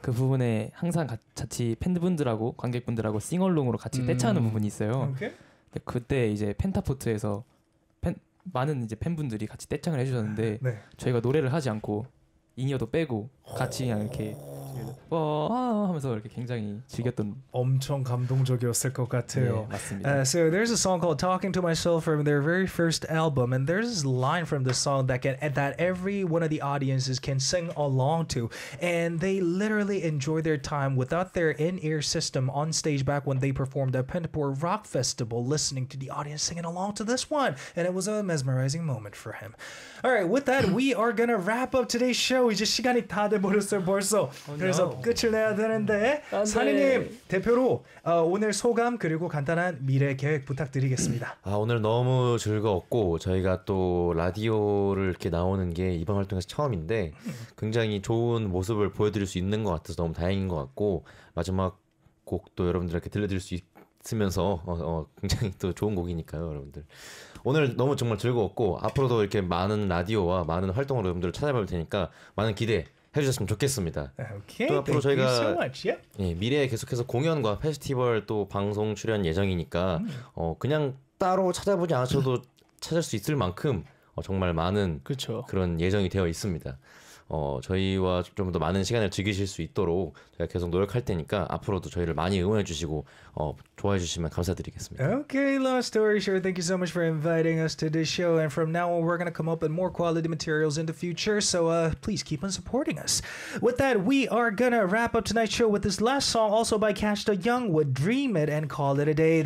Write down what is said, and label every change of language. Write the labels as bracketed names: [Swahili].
[Korean] 그 부분에 항상 같이 팬분들하고 관객분들하고 싱얼롱으로 같이 떼창하는 부분이 있어요. 오케이. 그때 이제 펜타포트에서 많은 이제 팬분들이 같이 떼창을 해주셨는데 네. 저희가 노래를 하지 않고 인이어도 빼고 같이 그냥 이렇게 와 하면서 이렇게 굉장히 즐겼던 엄청 감동적이었을 것 같아요. 네, 맞습니다. [English] So there's a song called Talking to Myself from their very first album and there's this line from the song that every one of the audiences can sing along to and they literally enjoy their time without their in-ear system on stage back when they performed at Pentaport Rock Festival listening to the audience singing along to this one and it was a mesmerizing moment for him. Alright, with that we are gonna wrap up today's show. [Korean] 이제 시간이 다 돼버렸어요 벌써. 그래서 끝을 내야 되는데 산이님 대표로 오늘 소감 그리고 간단한 미래 계획 부탁드리겠습니다. 아 오늘 너무 즐거웠고 저희가 또 라디오를 이렇게 나오는 게 이번 활동에서 처음인데 굉장히 좋은 모습을 보여드릴 수 있는 것 같아서 너무 다행인 것 같고 마지막 곡도 여러분들에게 들려드릴 수 있으면서 굉장히 또 좋은 곡이니까요 여러분들. 오늘 너무 정말 즐거웠고 앞으로도 이렇게 많은 라디오와 많은 활동으로 여러분들을 찾아뵐 테니까 많은 기대 해주셨으면 좋겠습니다. Okay, 또 앞으로 저희가 [English] so much, yeah? [Korean] 예, 미래에 계속해서 공연과 페스티벌 또 방송 출연 예정이니까 그냥 따로 찾아보지 않으셔도 찾을 수 있을 만큼 정말 많은 그쵸. 그런 예정이 되어 있습니다. 저희와 좀 더 많은 시간을 즐기실 수 있도록 저희가 계속 노력할 테니까 앞으로도 저희를 많이 응원해 주시고 좋아해 주시면 감사드리겠습니다. [English] Okay, long story short, thank you so much for inviting us to this show. And from now on, we're gonna come up with more quality materials in the future. So please keep on supporting us. With that, we are gonna wrap up tonight's show with this last song, also by Catch the Young, with Dream It and Call It a Day.